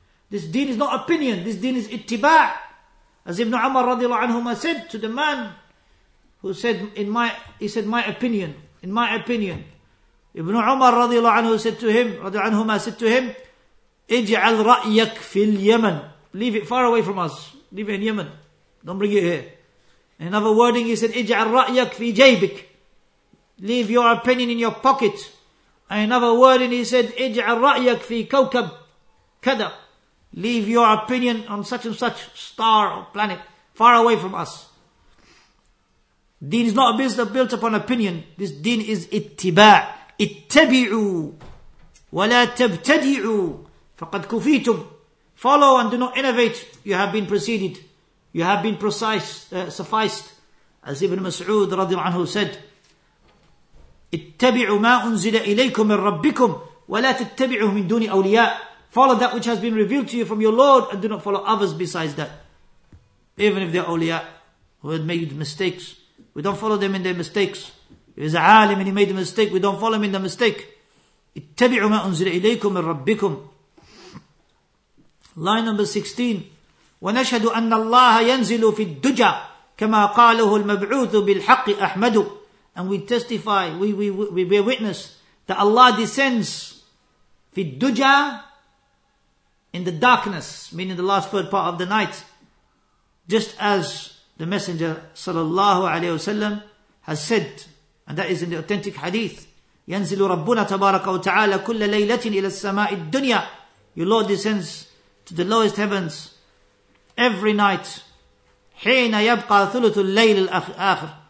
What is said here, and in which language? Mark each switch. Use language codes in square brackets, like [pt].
[en] This deen is not opinion, this deen is ittiba', as Ibn Umar radiallahu anhu said to the man who said, in my opinion, Ibn Umar radiallahu anhu said to him, [ar] اجعل رأيك في اليمن. [en] Leave it far away from us. Leave it in Yemen. Don't bring it here. In another wording, he said, [ar] اجعل رأيك في جيبك. [en] Leave your opinion in your pocket. In another wording, he said, [ar] اجعل رأيك في كوكب كذا. [en] Leave your opinion on such and such star or planet far away from us. Deen is not a business built upon opinion. This deen is ittiba'. [ar] اتبعوا ولا تبتدعوا فقد كفيتم. [en] Follow and do not innovate. You have been preceded. You have been precise, sufficed. As Ibn Mas'ud رضي الله عنه said, [ar] اتبعوا ما أنزل إليكم من ربكم ولا تتبعوا من دون أولياء. [en] Follow that which has been revealed to you from your Lord and do not follow others besides that. Even if they're أولياء who had made mistakes, we don't follow them in their mistakes. If he's a alim and he made a mistake, we don't follow him in the mistake. [ar] اتبعوا ما أنزل إليكم من ربكم. [en] Line number 16. [ar] ونشهد أن الله ينزل في الدجى كما قاله المبعوث بالحق أحمد. [en] And we testify, we bear witness that Allah descends [ar] في الدجى, [en] in the darkness, meaning the last third part of the night, just as the Messenger صلى الله عليه وسلم has said. And that is in the authentic hadith. [ar] ينزل ربنا تبارك وتعالى كل ليلة إلى السماء الدنيا. [en] Your Lord descends to the lowest heavens every night. [ar] حين يبقى ثلث الليل الآخر.